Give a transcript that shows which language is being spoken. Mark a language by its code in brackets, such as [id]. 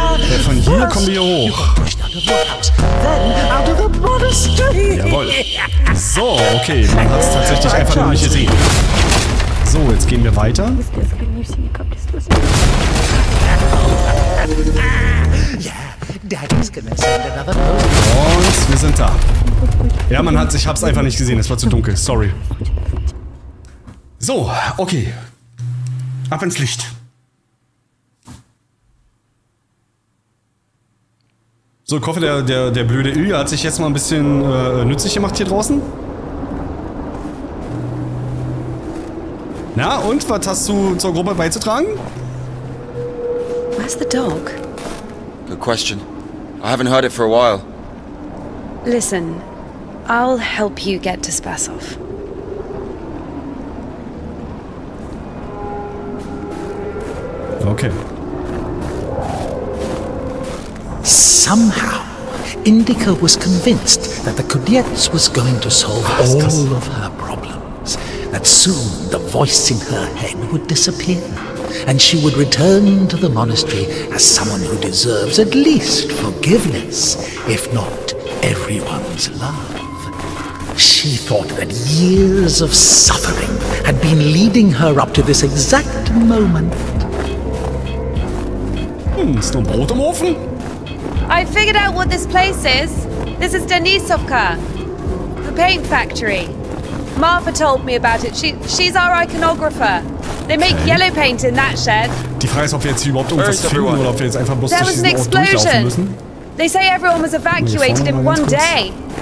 [de] Ja, von hier first, kommen wir hoch. [en] Then out of the monastery. [de] Jawohl. So, okay, man hat es tatsächlich einfach nur nicht gesehen. So, jetzt gehen wir weiter. Und wir sind da. Ja, man hat sich, hab's einfach nicht gesehen, es war zu dunkel, sorry. So, okay. Ab ins Licht. So, ich hoffe, der blöde Ilja hat sich jetzt mal ein bisschen nützlich gemacht hier draußen. Na, und was hast du zur Gruppe beizutragen? [en] Where's the dog? Good question. I haven't heard it for a while. Listen, I'll help you get to Spassov. Okay. Somehow, Indika was convinced that the Kudiets was going to solve all of her problems. That soon the voice in her head would disappear, and she would return to the monastery as someone who deserves at least forgiveness, if not everyone's love. She thought that years of suffering had been leading her up to this exact moment. [de] Ist noch Brot im Ofen? [en] I figured out what this place is. This is Denisovka, the paint factory. Martha told me about it. She's our iconographer. They make yellow paint in that shed. [de] Die Frage ist, ob wir jetzt überhaupt irgendwas finden oder ob wir jetzt einfach bloß durch diesen Ort durchlaufen müssen. [en] They say everyone was evacuated in one day.